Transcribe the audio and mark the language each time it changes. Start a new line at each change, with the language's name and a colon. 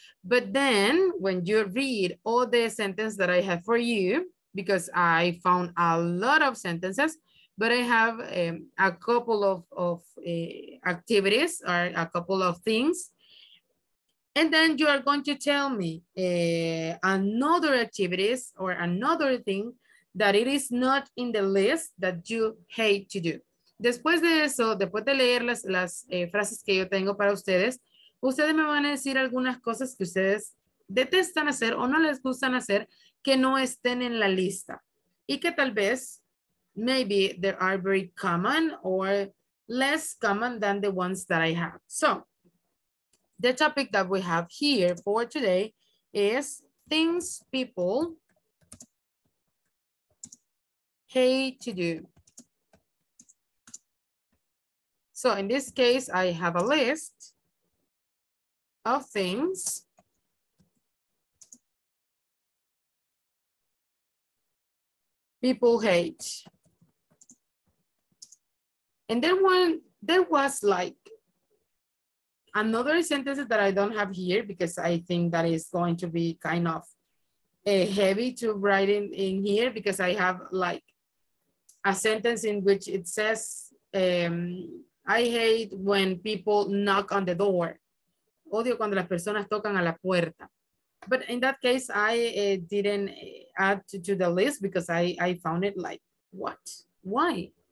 English: But then when you read all the sentences that I have for you, because I found a lot of sentences, but I have a couple of activities or a couple of things. And then you are going to tell me another activities or another thing that it is not in the list that you hate to do.
Spanish: Después de eso, después de leer las frases que yo tengo para ustedes, ustedes me van a decir algunas cosas que ustedes detestan hacer o no les gustan hacer que no estén en la lista. Y que tal vez,
English: maybe they are very common or less common than the ones that I have. So, the topic that we have here for today is things people hate to do. So in this case, I have a list of things people hate. And then one, there was like another sentence that I don't have here because I think that is going to be kind of heavy to write in here because I have like a sentence in which it says, I hate when people knock on the door.
Spanish: Odio cuando las personas tocan a la puerta.
English: But in that case, I didn't add to the list because I found it like, what? Why?